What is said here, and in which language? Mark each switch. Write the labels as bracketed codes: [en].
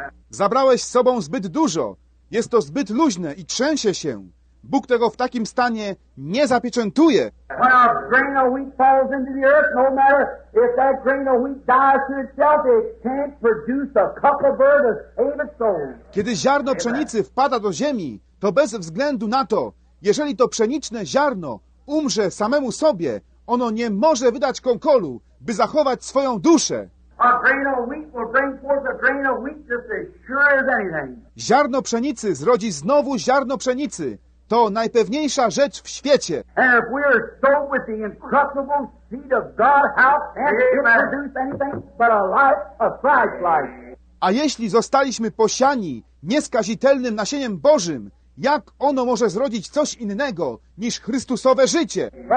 [pl] Zabrałeś z sobą zbyt dużo. Jest to zbyt luźne i trzęsie się. Bóg tego w takim stanie nie zapieczętuje. [en] When a grain of wheat falls into the earth, no matter if that grain of wheat dies to itself, it can't produce a cup of bread to save its soul. [pl] Kiedy ziarno pszenicy wpada do ziemi, to bez względu na to, jeżeli to pszeniczne ziarno umrze samemu sobie, ono nie może wydać konkolu, by zachować swoją duszę. [en] A grain of wheat will bring forth a grain of wheat just as sure as anything. [pl] Ziarno pszenicy zrodzi znowu ziarno pszenicy. To najpewniejsza rzecz w świecie. [en] And if we are sown with the incorruptible seed of God, how can it produce anything but a life of Christ's life? [pl] A jeśli zostaliśmy posiani nieskazitelnym nasieniem Bożym, jak ono może zrodzić coś innego niż Chrystusowe życie?